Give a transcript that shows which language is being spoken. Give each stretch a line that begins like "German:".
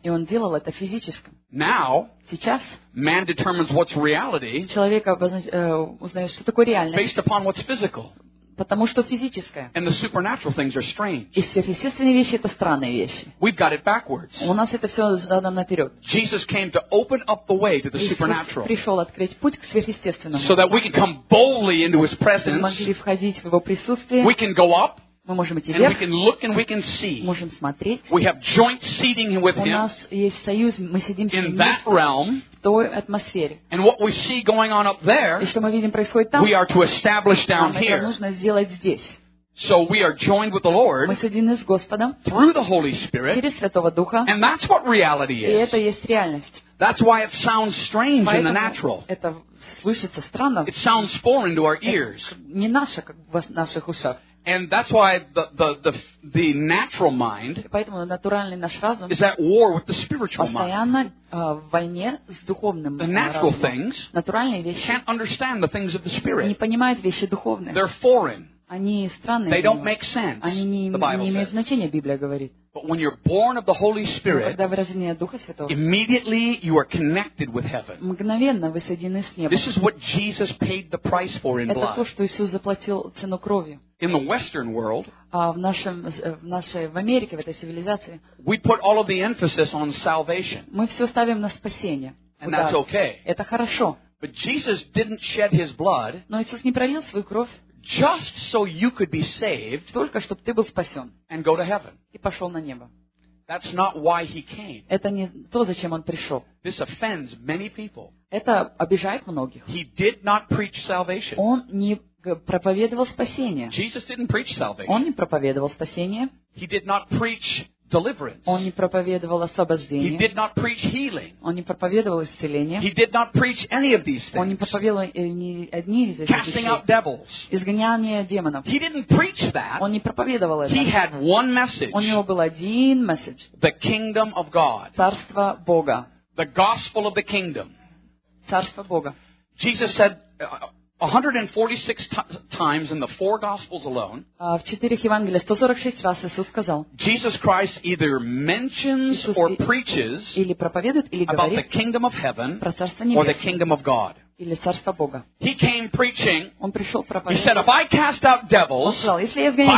Russian: И он делал это в физическом.
English: Now,
Russian: сейчас,
English: man determines what's reality.
Russian: Человек узнает, что такое реальность.
English: Based upon what's physical.
Russian: Потому что физическое.
English: And the supernatural things are strange.
Russian: И сверхъестественные вещи это странные вещи.
English: We've got it backwards.
Russian: У нас это все задано наперед.
English: Jesus came to open up the way to the supernatural.
Russian: Иисус пришел открыть путь к сверхъестественному.
English: So that we can come boldly into His presence.
Russian: Мы могли входить в Его присутствие.
English: We can go up.
Russian: Мы можем идти вверх.
English: And we can look and we can see.
Russian: Можем смотреть.
English: We have joint seating with Him.
Russian: У нас есть союз, мы сидим с Ним.
English: In that realm. And what we see going on up there,
Russian: и что мы видим происходит там,
English: we are to establish down here.
Russian: Нам это нужно сделать здесь.
English: So we are joined with the Lord,
Russian: мы соединены с Господом,
English: through the Holy Spirit,
Russian: через Святого Духа,
English: and that's what reality is.
Russian: И это есть реальность.
English: That's why it sounds strange
Russian: поэтому
English: in the natural.
Russian: Это слышится странно.
English: It sounds foreign to our ears.
Russian: Не наше, как в наших ушах.
English: And that's why the natural mind is at war with the spiritual mind.
Russian: Войне с духовным
English: the natural
Russian: разумом.
English: Things
Russian: натуральные вещи
English: can't understand the things of the spirit.
Russian: Не понимают вещи духовные.
English: They're foreign.
Russian: Они странные.
English: They don't make sense.
Russian: Они не имеют значения, Библия говорит.
English: But when you're born of the Holy Spirit,
Russian: когда вы рождены от Духа Святого,
English: immediately you are connected with heaven.
Russian: Мгновенно вы соединены с небом.
English: This is what Jesus paid the price for in blood.
Russian: Это то, что Иисус заплатил цену кровью.
English: In the Western world,
Russian: в Америке, в этой цивилизации,
English: we put all of the emphasis on salvation.
Russian: Мы все ставим на спасение.
English: And that's okay.
Russian: Это хорошо.
English: But Jesus didn't shed His blood.
Russian: Но Иисус не пролил свою кровь.
English: Just so you could be saved,
Russian: только чтобы ты был спасен,
English: and go to heaven.
Russian: И пошел на небо.
English: That's not why he came.
Russian: Это не то, зачем он пришел.
English: This offends many people.
Russian: Это обижает многих.
English: He did not preach salvation.
Russian: Он не проповедовал спасение.
English: Jesus didn't preach salvation.
Russian: Он не проповедовал спасение.
English: He did not preach deliverance.
Russian: Он не проповедовал освобождение.
English: He did not preach healing.
Russian: Он не проповедовал исцеление.
English: He did not preach any of these things.
Russian: Он не проповедовал ни одни из этих
English: casting out devils.
Russian: Изгоняние демонов.
English: He didn't preach that.
Russian: Он не проповедовал это.
English: He had one message.
Russian: У него был один месседж.
English: The kingdom of God.
Russian: Царство Бога.
English: The gospel of the kingdom.
Russian: Царство Бога.
English: Jesus said 146 times in the four Gospels alone,
Russian: в четырех Евангелиях 146 раз Иисус сказал,
English: Jesus Christ either mentions or preaches
Russian: или проповедует, или говорит
English: about the kingdom of heaven
Russian: про Царство Небесное
English: or the kingdom of God.
Russian: Или Царство Бога.
English: He came preaching,
Russian: он пришел проповедовать.
English: He said, if I cast out devils
Russian: сказал, если я изгоняю